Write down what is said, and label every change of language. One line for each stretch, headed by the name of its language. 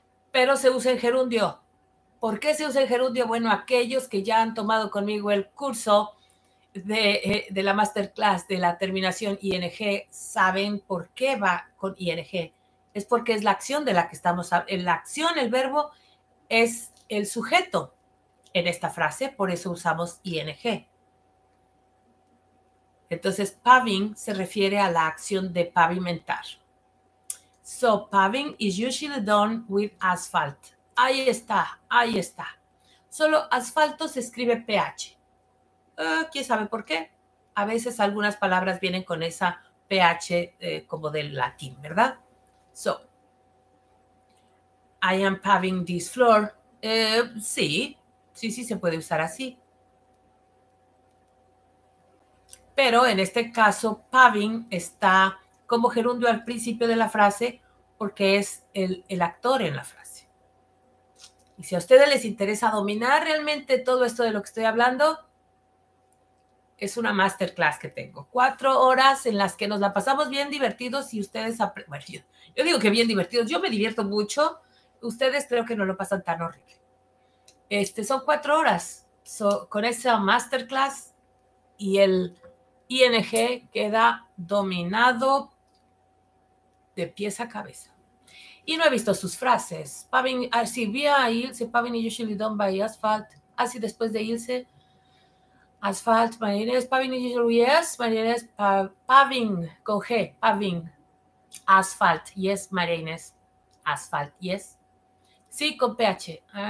Spanish: Pero se usa en gerundio. ¿Por qué se usa en gerundio? Bueno, aquellos que ya han tomado conmigo el curso de la masterclass de la terminación ING saben por qué va con ING. Es porque es la acción de la que estamos hablando. La acción, el verbo, es el sujeto en esta frase. Por eso usamos ING. Entonces, paving se refiere a la acción de pavimentar.
English: So, paving is usually done with asphalt.
Spanish: Ahí está, ahí está. Solo asfalto se escribe PH. ¿Quién sabe por qué? A veces algunas palabras vienen con esa PH como del latín, ¿verdad?
English: So, I am paving this floor.
Spanish: Sí, se puede usar así. Pero en este caso, paving está como gerundio al principio de la frase porque es el actor en la frase. Y si a ustedes les interesa dominar realmente todo esto de lo que estoy hablando, es una masterclass que tengo. 4 horas en las que nos la pasamos bien divertidos y ustedes aprenden. Bueno, yo digo que bien divertidos. Yo me divierto mucho. Ustedes creo que no lo pasan tan horrible. Son 4 horas. So, con esa masterclass y el ING queda dominado de pies a cabeza. Y no he visto sus frases.
English: Paving is usually done by asphalt.
Spanish: Así después de Ilse.
English: Asphalt, Marines, paving is usually, yes, Marines, paving,
Spanish: con G,
English: paving. Asphalt, yes, Marines. Asphalt, yes.
Spanish: Sí, con PH.